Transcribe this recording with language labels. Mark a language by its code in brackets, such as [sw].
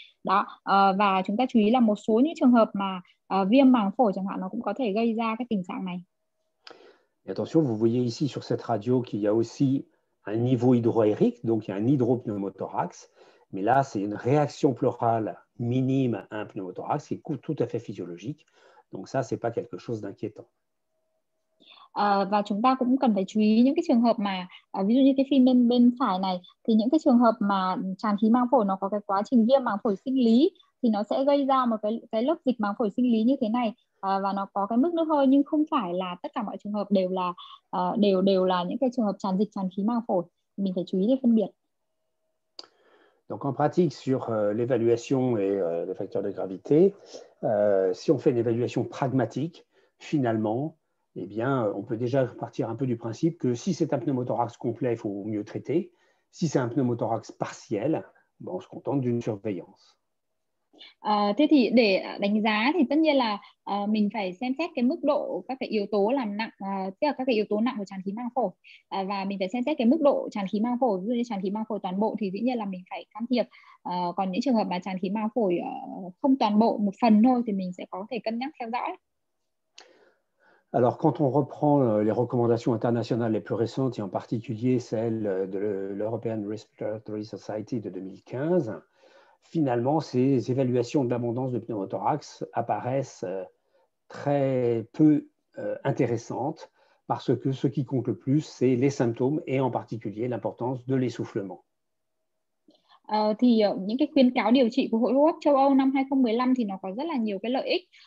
[vi] Đó, và chúng ta chú ý là một số những trường hợp mà viêm màng phổi chẳng hạn nó cũng có thể gây ra cái tình trạng này. [fr] Et attention, vous voyez ici sur cette radio qu'il y a aussi un niveau hydroaérique, donc il y a un hydropneumothorax. Mais là, c'est une réaction pleurale minime à un pneumothorax qui est tout à fait physiologique. Donc ça, ce n'est pas quelque chose d'inquiétant. [vi] Và chúng ta cũng cần phải chú ý những cái trường hợp mà, ví dụ như cái phim bên phải này, thì những cái trường hợp mà tràn khí màng phổi nó có cái quá trình viêm màng phổi sinh lý, thì nó sẽ gây ra một cái lớp dịch màng phổi sinh lý như thế này, và nó có cái mức nước hơi, nhưng không phải là tất cả mọi trường hợp đều là những cái trường hợp tràn dịch tràn khí màng phổi. Mình phải chú ý để phân biệt. [fr] Donc en pratique sur l'évaluation et les facteurs de gravité, si on fait une évaluation pragmatique, finalement, eh bien, on peut déjà partir un peu du principe que si c'est un pneumothorax complet, il faut mieux traiter. Si c'est un pneumothorax partiel, ben, on se contente d'une surveillance. [vi] Thế thì để đánh giá thì tất nhiên là mình phải xem xét cái mức độ các cái yếu tố làm nặng tức là các cái yếu tố nặng của tràn khí màng phổi và mình phải xem xét cái mức độ tràn khí màng phổi, ví dụ như tràn khí màng phổi toàn bộ thì dĩ nhiên là mình phải can thiệp, còn những trường hợp mà tràn khí màng phổi không toàn bộ một phần thôi thì mình sẽ có thể cân nhắc theo dõi. [fr] Alors, quand on reprend les recommandations internationales les plus récentes, et en particulier celles de l'European Respiratory Society de 2015, finalement, ces évaluations de l'abondance de pneumothorax apparaissent très peu intéressantes, parce que ce qui compte le plus, c'est les symptômes et en particulier l'importance de l'essoufflement. [vi] Thì những cái khuyến cáo điều trị của Hội hô hấp châu Âu năm 2015 thì nó có rất là nhiều cái lợi ích.